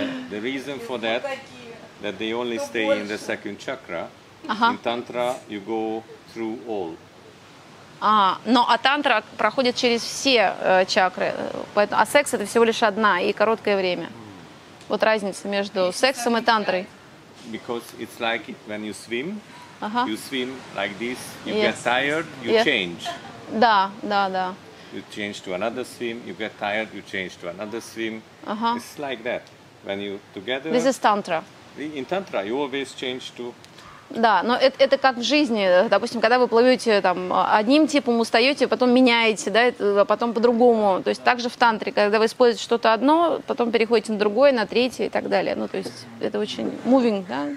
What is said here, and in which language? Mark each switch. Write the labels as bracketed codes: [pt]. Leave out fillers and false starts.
[en] The reason for that, that they only stay in the second chakra. In tantra you go through all. [ru] А, ну, а тантра проходит через все чакры, поэтому, а секс это всего лишь одна и короткое время. Вот разница между сексом и тантрой. [en] Because it's like when you swim, you swim like this, you get tired, you change. [ru] Да, да, да. [en] You change to another swim, you get tired, you change to another swim. It's like that. When you together. This is tantra. In tantra you always change to. [ru] Да, но это как в жизни. Допустим, когда вы плывете там, одним типом, устаете, потом меняете, да, потом по-другому. То есть так же в тантре, когда вы используете что-то одно, потом переходите на другое, на третье и так далее. Ну, то есть это очень moving, да?